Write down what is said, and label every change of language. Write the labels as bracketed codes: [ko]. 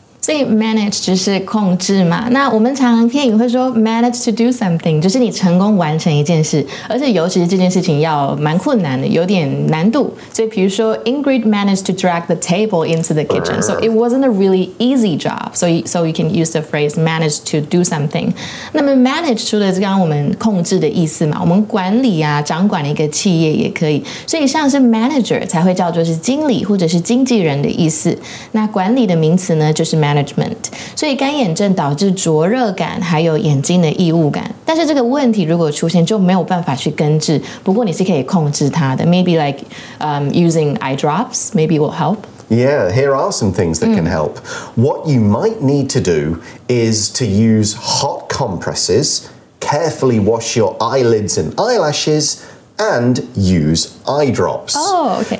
[zh] 所以 manage 就是控制嘛。那我们常常片语会说 [en] manage to do something， [zh] 就是你成功完成一件事，而且尤其是这件事情要蛮困难的，有点难度。所以比如说 [en] Ingrid managed to drag the table into the kitchen， so it wasn't a really easy job. So you can use the phrase manage to do something. [zh] 那么 manage 除了刚刚我们控制的意思嘛，我们管理啊，掌管一个企业也可以。所以像是 manager 才会叫做是经理或者是经纪人的意思。那管理的名词呢，就是management， 所以干眼症导致灼热感，还有眼睛的异物感。但是这个问题如果出现，就没有办法去根治。不过你是可以控制它的 [en] ，maybe like using eye drops, maybe will help. Yeah, here are some things that can help. What you might need to do is to use hot compresses, carefully wash your eyelids and eyelashes. And use eye drops. Oh, okay.